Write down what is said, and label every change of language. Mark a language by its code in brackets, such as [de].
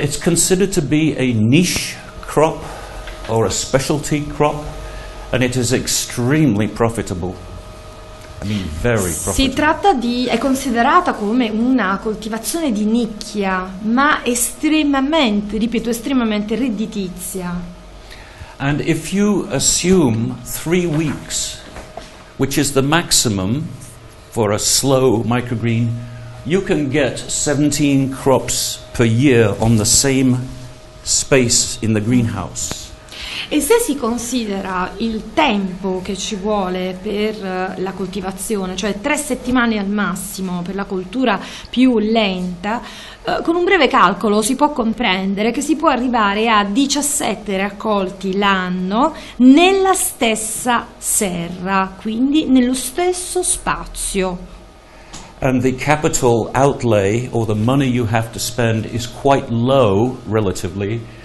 [en] It's considered to be a niche crop or a specialty crop, and it is extremely profitable. I mean, very profitable. [it] Si tratta di, è considerata come una coltivazione di nicchia, ma estremamente, ripeto, estremamente redditizia. [en] And if you assume 3 weeks, which is the maximum for a slow microgreen, you can get 17 crops per year on the same space in the greenhouse. [it] E se si considera il tempo che ci vuole per la coltivazione, cioè 3 settimane al massimo per la coltura più lenta, con un breve calcolo si può comprendere che si può arrivare a 17 raccolti l'anno nella stessa serra, quindi nello stesso spazio. [en] And the capital outlay or the money you have to spend is quite low relatively.